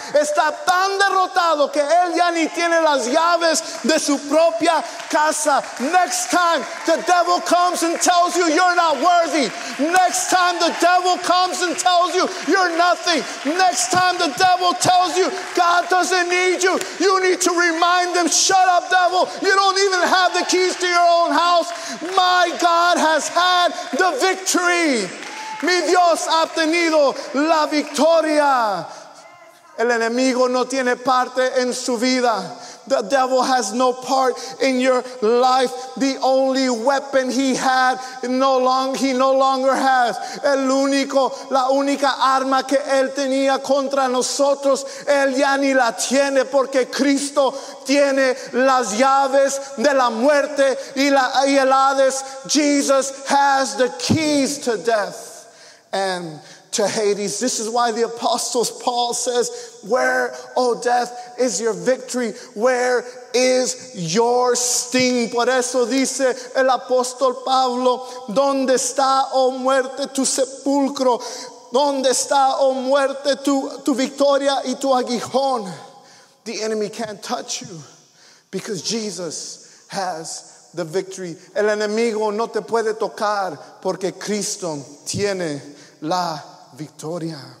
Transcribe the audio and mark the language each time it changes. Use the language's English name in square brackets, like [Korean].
[Spanish] Está tan derrotado que él ya ni tiene las llaves de su propia casa. [English] Next time the devil comes and tells you you're not worthy. Next time the devil comes and tells you you're nothing. Next time the devil tells you God doesn't need you, you need to remind them, shut up, devil. You don't even have the keys to your own house. My God has had the victory. [Spanish] Mi Dios ha tenido la victoria. El enemigo no tiene parte en su vida. [English] The devil has no part in your life. The only weapon he had, he no longer has. [Spanish] El único, la única arma que él tenía contra nosotros, él ya ni la tiene, porque Cristo tiene las llaves de la muerte y el Hades. [English] Jesus has the keys to death and to Hades. This is why the apostles Paul says, where, oh death, is your victory? Where is your sting? [Spanish] Por eso dice el apóstol Pablo, ¿dónde está, oh muerte, tu sepulcro? ¿Dónde está, oh muerte, tu victoria y tu aguijón? [English] The enemy can't touch you because Jesus has the victory. [Spanish] El enemigo no te puede tocar porque Cristo tiene la victoria.